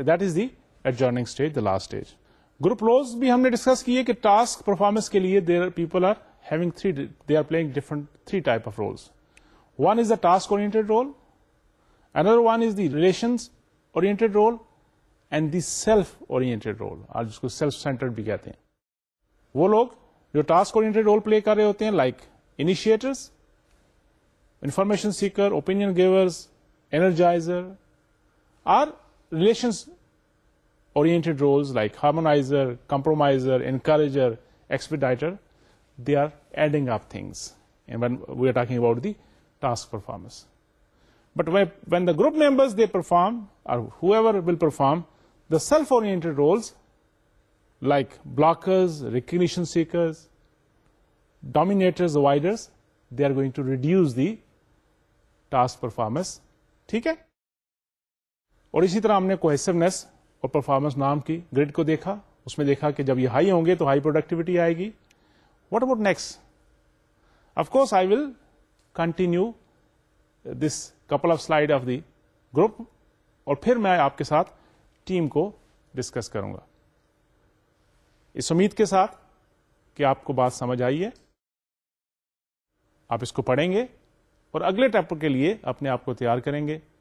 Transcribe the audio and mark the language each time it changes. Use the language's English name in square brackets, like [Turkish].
[English] But that is the adjourning stage, the last stage. Group roles [Urdu] بھی ہم نے discuss کیے کہ [English] Task performance کے لیے there people are having three, they are playing different three type of roles. One is the task oriented role, and one is the relations oriented role, and the self oriented role, [Urdu] اور جس کو self centred بھی کہتے ہیں. وہ لوگ جو task oriented role play کر رہے ہوتے ہیں, [English] Like initiators, information seeker, opinion givers, energizer, اور relations oriented roles like harmonizer, compromiser, encourager, expediter, they are adding up things. And when we are talking about the task performance. But when the group members, they perform, or whoever will perform, the self-oriented roles like blockers, recognition seekers, dominators, avoiders, they are going to reduce the task performance. [Urdu] ٹھیک ہے, اور اسی طرح ہم نے cohesiveness اور performance نام کی گریڈ کو دیکھا, اس میں دیکھا کہ جب یہ ہائی ہوں گے تو ہائی پروڈکٹیوٹی آئے گی. [English] What about next? Of course I will continue this couple of slide of the group, [Urdu] اور پھر میں آپ کے ساتھ ٹیم کو ڈسکس کروں گا, اس امید کے ساتھ کہ آپ کو بات سمجھ آئی ہے, آپ اس کو پڑھیں گے اور اگلے ٹیپر کے لیے اپنے آپ کو تیار کریں گے.